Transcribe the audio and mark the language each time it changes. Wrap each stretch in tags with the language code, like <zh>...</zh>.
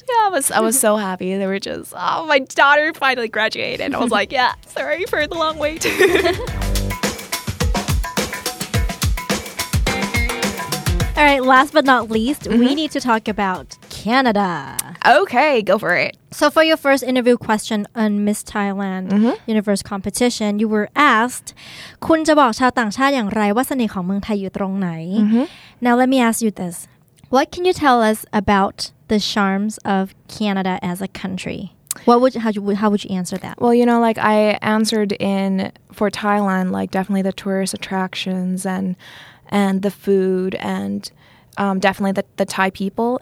<en>Yeah, I was so happy. They were just, oh, my daughter finally graduated. I was like, yeah, sorry for the long wait. All right, last but not least, mm-hmm. we need to talk about Canada. Okay, go for it. So for your first interview question on Miss Thailand Universe Competition, you were asked,</en> <th>คุณจะบอกชาวต่างชาติอย่างไรว่าเสน่ห์ของเมืองไทยอยู่ตรงไหน?</th> <en>Mm-hmm. Now, let me ask you this. What can you tell us about the charms of Canada as a country? How would you answer that? Well, you know, like I answered in for Thailand, like definitely the tourist attractions and the food and definitely the Thai people.</en>